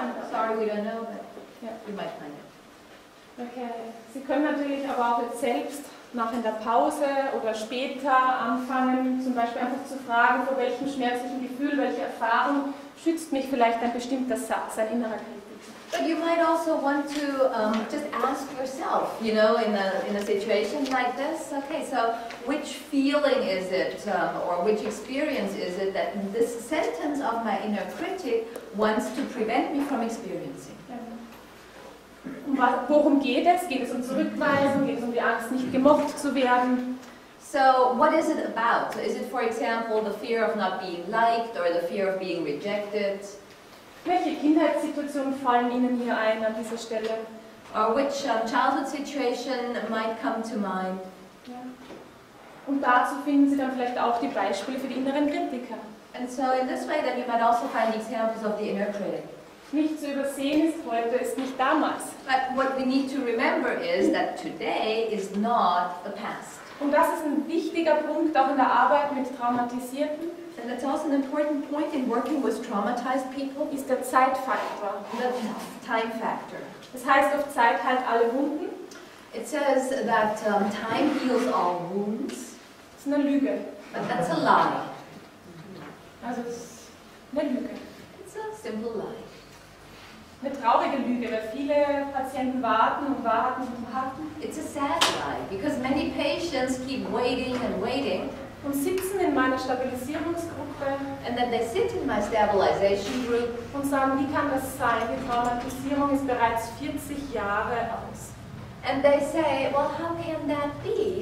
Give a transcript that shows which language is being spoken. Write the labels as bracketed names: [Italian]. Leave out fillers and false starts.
[English] Sorry, we don't know, but we might find it. Okay. [German] Sie können natürlich aber auch jetzt selbst nach in der Pause oder später anfangen, zum Beispiel einfach zu fragen, vor welchem schmerzlichen Gefühl, welche Erfahrung schützt mich vielleicht ein bestimmter Satz, ein innerer Kritiker. [English] But you might also want to just ask yourself, you know, in a situation like this, okay, so which feeling is it, or which experience is it that this sentence of my inner critic wants to prevent me from experiencing? [German] Worum geht es? Geht es um Zurückweisung? Geht es um die Angst, nicht gemocht zu werden? [English] So what is it about? Is it, for example, the fear of not being liked or the fear of being rejected? [German] Welche Kindheitssituationen fallen Ihnen hier ein an dieser Stelle? [English] Or which childhood situation might come to mind? [German] Ja. Und dazu finden Sie dann vielleicht auch die Beispiele für die inneren Kritiker. [English] And so in this way, then you might also find examples of the inner critic. [German] Nicht zu übersehen ist heute, ist nicht damals. [English] But what we need to remember is that today is not the past. [German] Und das ist ein wichtiger Punkt auch in der Arbeit mit Traumatisierten. [English] And that's also an important point in working with traumatized people. [German] Ist der Zeitfaktor. [English] The time factor. [German] Das heißt, auf Zeit heilt alle Wunden. [English] It says that time heals all wounds. [German] Das ist eine Lüge. [English] But that's a lie. [German] Also, es ist eine Lüge. [English] It's a simple lie. [German] Eine traurige Lüge, weil viele Patienten warten und warten und warten. [English] It's a sad lie, because many patients keep waiting and waiting. [German] Und sitzen in meiner Stabilisierungsgruppe. [English] And then they sit in my stabilization group. [German] Und sagen, wie kann das sein? Die Traumatisierung ist bereits 40 Jahre aus. [English] And they say, well, how can that be?